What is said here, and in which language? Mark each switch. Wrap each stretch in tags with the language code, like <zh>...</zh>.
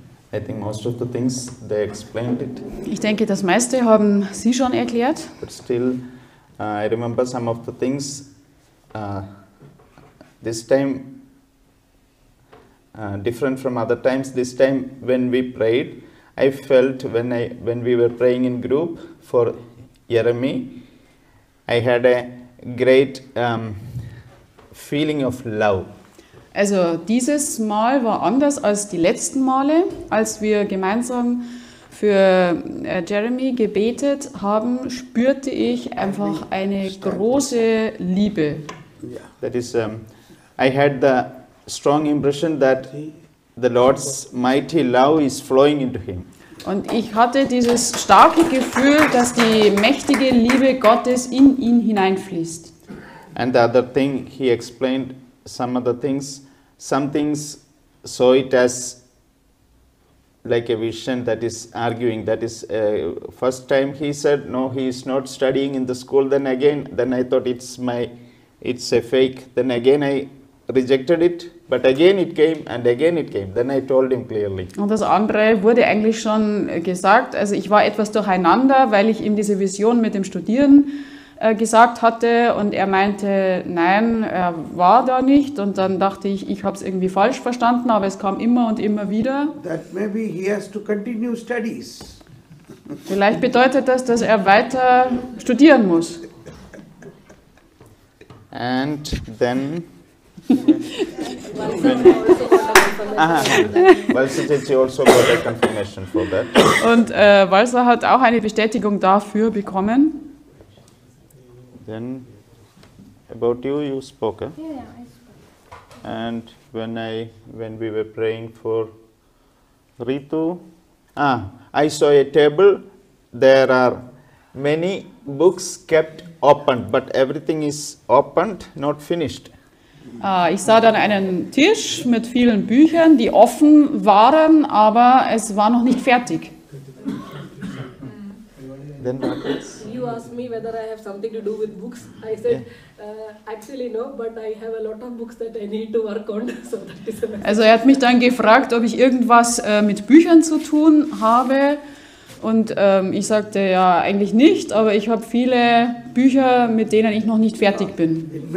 <en>I think most of the things they explained it.</en> <de>Ich denke, das meiste haben Sie schon erklärt.</de> <en>But still, I remember some of the things. This time, different from other times. This time, when we prayed, I felt when we were praying in group for Jeremy, I had a great feeling of love.</en> <de>Also dieses Mal war anders als die letzten Male, als wir gemeinsam für Jeremy gebetet haben, spürte ich einfach eine große Liebe.</de> <en>Yeah, that is, I had the strong impression that the Lord's mighty love is flowing into him.</en> <de>Und ich hatte dieses starke Gefühl, dass die mächtige Liebe Gottes in ihn hineinfließt.</de> <en>And the other thing, he explained some other things. Some things saw it as like a vision that is arguing. That is, first time he said, no, he is not studying in the school. Then again, then I thought it's a fake. Then again, I rejected it. But again it came and again it came. Then I told him clearly.</en> <de>Und das andere wurde eigentlich schon gesagt. Also ich war etwas durcheinander, weil ich ihm diese Vision mit dem Studieren gesagt hatte. Und er meinte, nein, er war da nicht. Und dann dachte ich, ich habe es irgendwie falsch verstanden. Aber es kam immer und immer wieder.</de> <en>That maybe he has to continue studies.</en> <de>Vielleicht bedeutet das, dass er weiter studieren muss.</de> <en>And then...</en> <de>Und Walser hat auch eine Bestätigung dafür bekommen.</de> <en>Then about you, you spoke. Eh? Yeah, I spoke. And when we were praying for Ritu, I saw a table. There are many books kept open, but everything is opened, not finished.</en> <de>Ich sah dann einen Tisch mit vielen Büchern, die offen waren, aber es war noch nicht fertig.</de> <en>Then you asked me whether I have something to do with books. I said, yeah. Actually no, but I have a lot of books that I need to work on. So that is</en> <de>also er hat mich dann gefragt, ob ich irgendwas mit Büchern zu tun habe. Und ich sagte, ja, eigentlich nicht, aber ich habe viele Bücher, mit denen ich noch nicht fertig bin.</de>